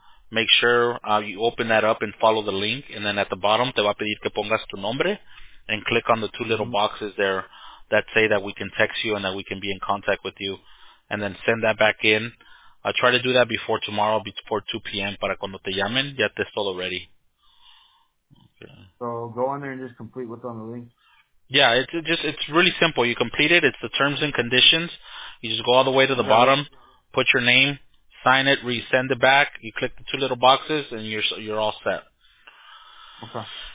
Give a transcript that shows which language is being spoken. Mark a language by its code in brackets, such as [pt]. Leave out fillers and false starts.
[en] Make sure you open that up and follow the link. And then at the bottom, te va a pedir que pongas tu nombre and click on the two little boxes there that say that we can text you and that we can be in contact with you, and then send that back in. I try to do that before tomorrow, before 2 p.m. [es] para cuando te llamen, ya te estoy already. [en] Okay. So go on there and just complete what's on the link. Yeah, it's really simple. You complete it. It's the terms and conditions. You just go all the way to the bottom, put your name, sign it, resend it back. You click the two little boxes, and you're all set. Okay.